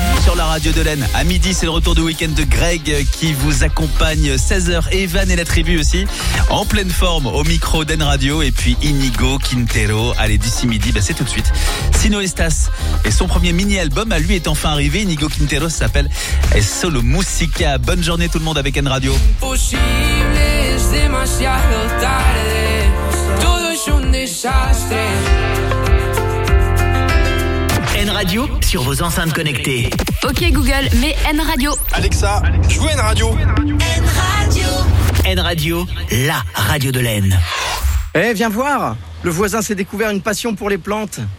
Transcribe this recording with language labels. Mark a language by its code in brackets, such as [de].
[fr] Sur la radio de l'Aisne, à midi, c'est le retour du week-end de Greg qui vous accompagne 16h. Evan et la tribu aussi, en pleine forme au micro d'N-Radio. Et puis Inigo, Quintero. Allez, d'ici midi, bah, c'est tout de suite. Sino Estas et son premier mini-album, à lui, est enfin arrivé. Inigo Quintero, ça s'appelle Es Solo Musica. Bonne journée tout le monde avec N-Radio. [es] Impossible, es demasiado tarde. Todo es un desastre. [fr] N-Radio sur vos enceintes connectées. Ok Google, mets N-Radio. Alexa, jouez N-Radio. N-Radio. N-Radio, la radio de l'Aisne. Eh, hey, viens voir. Le voisin s'est découvert une passion pour les plantes.